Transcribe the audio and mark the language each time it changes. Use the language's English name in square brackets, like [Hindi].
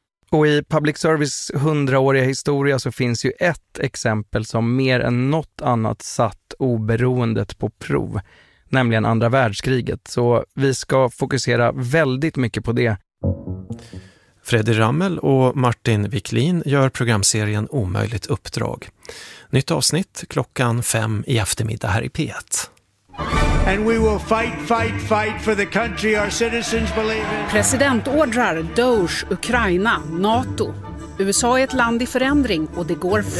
[Swedish] Och i public service 100-åriga historia så finns ju ett exempel som mer än något annat satt oberoendet på prov, nämligen andra världskriget. Så vi ska fokusera väldigt mycket på det. Fredrik Rammel och Martin Wiklin gör programserien Omöjligt uppdrag. Nytt avsnitt klockan 5 i eftermiddag här i P1. [English] And we will fight, fight, fight for the country our citizens believe in. [Swedish] Presidentordrar, DOGE, Ukraina, NATO. USA är ett land i förändring och det går fort.